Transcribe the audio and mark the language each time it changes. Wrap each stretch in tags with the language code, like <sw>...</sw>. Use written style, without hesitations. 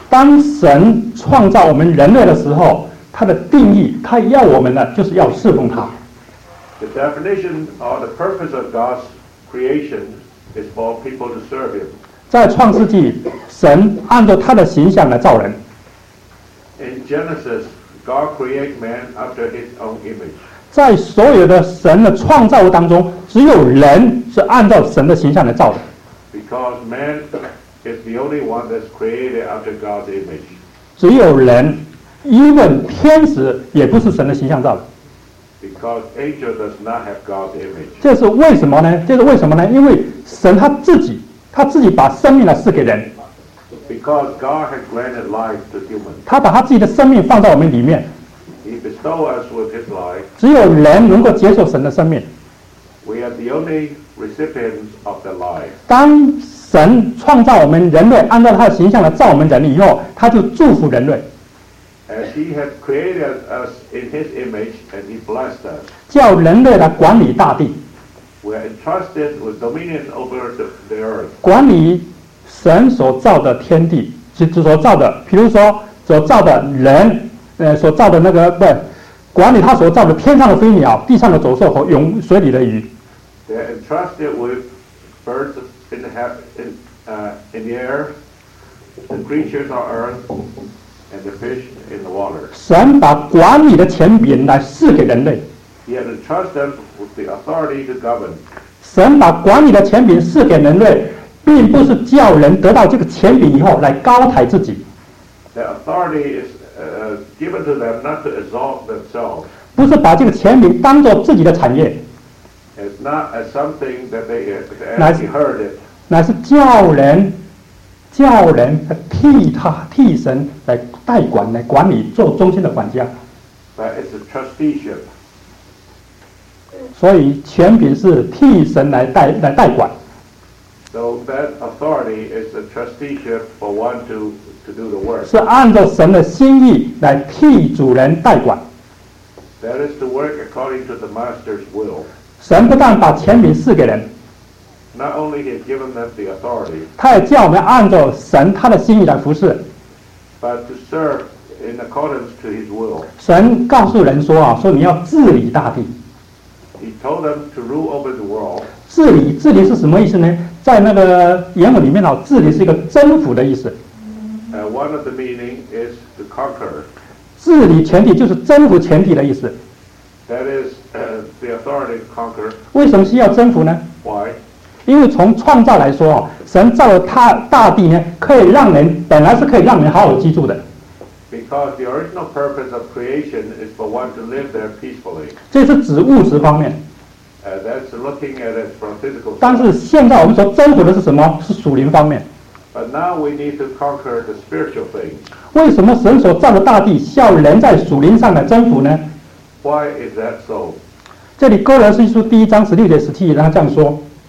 <zh>当神创造我们人类的时候，他的定义，他要我们的就是要侍奉他。</zh> <en>The definition or the purpose of God's creation is for people to serve Him.</en> <zh>在创世纪，神按照他的形象来造人。</zh> <en>In Genesis, God created man after His own image.</en> <zh>在所有的神的创造物当中，只有人是按照神的形象来造的。</zh> <en>Because man is the only one that's created after God's image.</en> <zh>只有人。</zh> <en>even</en> <zh>天使也不是神的形象造的。</zh> <en>Because angel does not have God's image.</en> <zh>这是为什么呢？这是为什么呢？因为神他自己把生命来赐给人。</zh> <en>Because God has granted life to humans.</en> <zh>他把他自己的生命放在我们里面。</zh> <en>He bestowed us with his life.</en> <zh>只有人能够接受神的生命。</zh> <en>We are the only recipients of the life.</en> <zh>当神创造我们人类，按照他的形象来造我们人以后，他就祝福人类。</zh> <en>As he has created us in his image and he blessed us.</en> <zh>叫人类来管理大地。</zh> <en>We are entrusted with dominion over the earth.</en> <zh>管理神所造的天地，就所造的，比如说所造的人，所造的那个，对，管理他所造的天上的飞鸟，地上的走兽和泳水里的鱼。</zh> <en>They are entrusted with birds in the air, the creatures on earth. And the fish in the water.</en> <zh>神把管理的权柄来赐给人类。</zh> <en>He has entrusted them with the authority to govern.</en> <zh>神把管理的权柄赐给人类，并不是叫人得到这个权柄以后来高抬自己。</zh> <en>The authority is given to them not to exalt themselves.</en> <zh>不是把这个权柄当作自己的产业。</zh> <en>It's not as something that they inherited.</en> <zh>乃是叫人。叫人替神来代管，来管理，做中心的管家。</zh> <en>But it's a trusteeship.</en> <zh>所以权柄是替神来代管。</zh> <en>So that authority is a trusteeship for one to do the work.</en> <zh>是按照神的心意来替主人代管。</zh> <en>That is to work according to the master's will.</en> <zh>神不但把权柄赐给人。</zh> <en>Not only he has given them the authority,</en> <zh>他也叫我们按照神他的心意来服侍。</zh> <en>But to serve in accordance to his will.</en> <zh>神告诉人说啊，说你要治理大地。</zh> <en>He told them to rule over the world.</en> <zh>治理是什么意思呢？在那个原文里面呢，治理是一个征服的意思。</zh> <en>One of the meaning is to conquer.</en> <zh>治理全体就是征服全体的意思。</zh> <en>That is the authority to conquer.</en> <zh>为什么需要征服呢？</zh> <en>Why?</en> <zh>因为从创造来说，神造了他大地呢，可以让人本来是可以让人好好居住的。</zh> <en>Because the original purpose of creation is for one to live there peacefully.</en> <zh>这是指物质方面。</zh> <en>That's looking at it from physical.</en> <zh>但是现在我们所征服的是什么？是属灵方面。</zh> <en>But now we need to conquer the spiritual things.</en> <zh>为什么神所造的大地需要人在属灵上来征服呢？</zh> <en>Why is that so?</en> <zh>这里哥罗西书第一章十六节十七节，他这样说。</zh>